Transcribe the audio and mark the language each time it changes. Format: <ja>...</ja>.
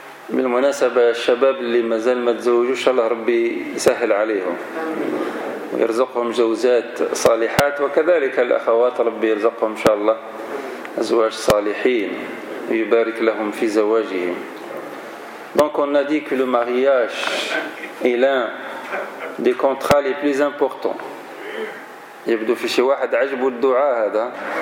<ar>بالمناسبة، الشباب اللي مازال ما تزوجوا إن شاء الله ربي يسهل عليهم ويرزقهم جوزات صالحات، وكذلك الأخوات ربي يرزقهم إن شاء الله أزواج صالحين ويبارك لهم في زواجهم.</ar> <fr>Donc on a dit que le mariage est l'un des contrats les plus importants.</fr> <ar>يبدو في شي واحد عجبه الدعاء هذا.</ar>